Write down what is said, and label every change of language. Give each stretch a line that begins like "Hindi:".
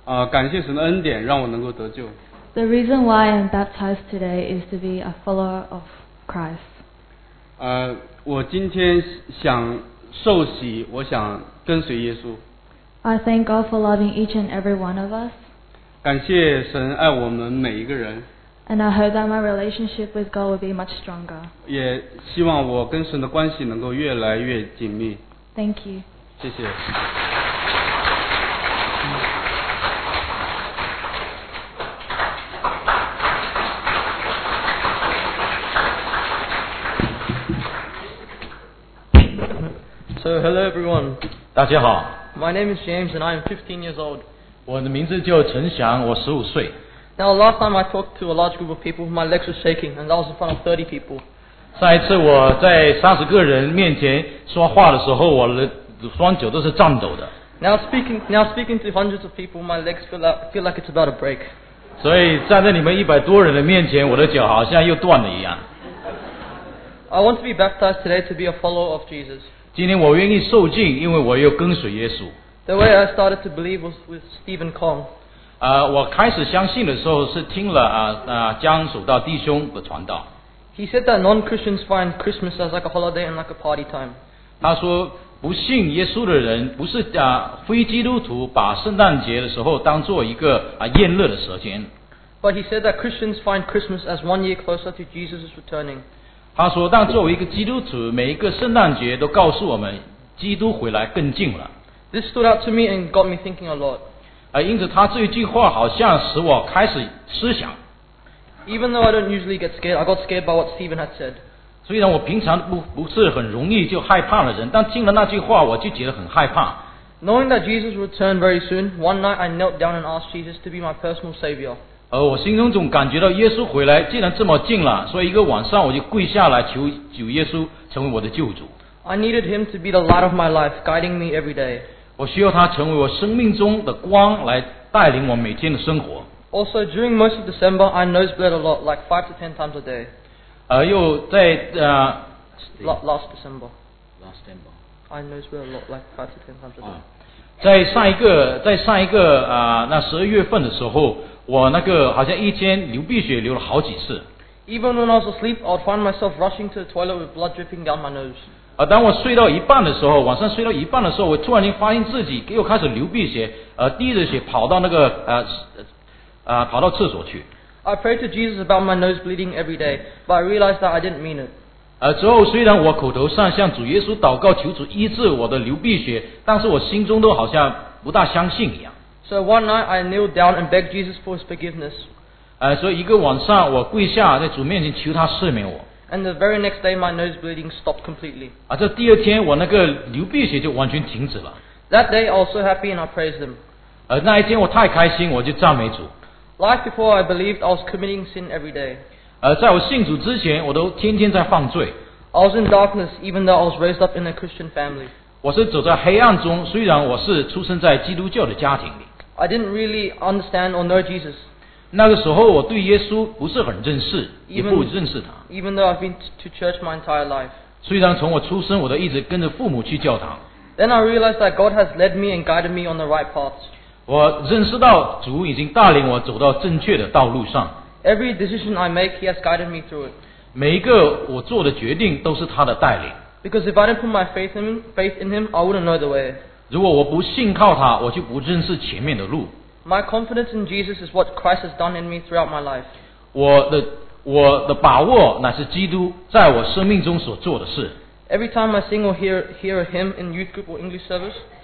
Chinese: 感谢神的恩典让我能够得救。
English: The reason why I'm baptized today is to be a follower of Christ.
Chinese: 我今天想受洗，我想跟随耶稣。
English: I thank God for loving each and every one of us.
Chinese: 感谢神爱我们每一个人。
English: And I hope that my relationship with God will be much stronger.
Chinese: 也希望我跟神的关系能够越来越紧密。
English: Thank you.
Chinese: 谢谢。
English: So hello everyone.
Chinese: 大家好。
English: My name is James and I am 15 years old.
Chinese: 我的名字叫陈翔，我15岁。
English: Now last time I talked to a large group of people, my legs were shaking and that was in front of 30 people.
Chinese: 上一次我在30个人面前说话的时候，我的双脚都是颤抖的。
English: Now speaking to hundreds of people, my legs feel like it's about to break.
Chinese: 所以站在你们100多人的面前，我的脚好像又断了一样。
English: I want to be baptized today to be a follower of Jesus.
Chinese: 今天我愿意受浸，因为我要跟随耶稣。
English: The way I started to believe was with Stephen Kong.
Chinese: 我开始相信的时候是听了江守道弟兄的传道。
English: He said that non-Christians find Christmas as like a holiday and like a party time.
Chinese: 他说不信耶稣的人，不是非基督徒，把圣诞节的时候当作一个宴乐的时间。
English: But he said that Christians find Christmas as one year closer to Jesus' returning.
Chinese: 他说但作为一个基督徒，每一个圣诞节都告诉我们基督回来更近了。
English: This stood out to me and got me thinking a lot.
Chinese: 因此他这一句话好像使我开始思想。
English: Even though I don't usually get scared, I got scared by what Stephen had said.
Chinese: 虽然我平常不是很容易就害怕的人，但听了那句话我就觉得很害怕。
English: Knowing that Jesus would return very soon, one night I knelt down and asked Jesus to be my personal savior.
Chinese: 我心中总感觉到耶稣回来既然这么近了，所以一个晚上我就跪下来求主耶稣成为我的救主。
English: I needed him to be the light of my life, guiding me every day.
Chinese: 我需要他成为我生命中的光，来带领我每天的生活。
English: Also, during most of December, I nosebleed a lot, like 5 to 10 times a day.
Chinese: 又在
English: Last December. Last December. I nosebleed a lot, like 5 to 10 times a day.
Chinese: 在上一个那十二月份的时候，我那个好像一天流鼻血流了好几次。
English: Even when I was asleep, I'd find myself rushing to the toilet with blood dripping down my nose.
Chinese: 当我睡到一半的时候，晚上睡到一半的时候，我突然间发现自己又开始流鼻血，滴着血跑到那个跑到厕所去。
English: I prayed to Jesus about my nose bleeding every day, but I realized that I didn't mean it.
Chinese: 之后虽然我口头上向主耶稣祷告，求主医治我的流鼻血，但是我心中都好像不大相信一样。
English: So one night I kneeled down and begged Jesus for his forgiveness.
Chinese: 所以一个晚上我跪下在主面前求他赦免我。
English: And the very next day my nose bleeding stopped completely.
Chinese: 这第二天我那个流鼻血就完全停止了。
English: That day I was so happy and I praised him.
Chinese: 那一天我太开心，我就赞美主。
English: Life before I believed I was committing sin every day.
Chinese: 在我信主之前，我都天天在犯罪。
English: I was in darkness even though I was raised up in a Christian family.
Chinese: 我是走在黑暗中，虽然我是出生在基督教的家庭里。
English: I didn't really understand or know Jesus.
Chinese: 那个时候我对耶稣不是很认识，也不认识他。
English: Even though I've been to church my entire life.
Chinese: 虽然从我出生，我都一直跟着父母去教堂。
English: Then I realized that God has led me and guided me on the right paths.
Chinese: 我认识到主已经带领我走到正确的道路上。
English: Every decision I make, he has guided me through it.
Chinese: 每一个我做的决定都是他的带领。
English: Because if I didn't put my faith in him, I wouldn't know the way.
Chinese: 如果我不信靠他，我就不认识前面的路。
English: My confidence in Jesus is what Christ has done in me throughout my life.
Chinese: 我的把握乃是基督在我生命中所做的事。
English: Every time I sing or hear a hymn in youth group or English service,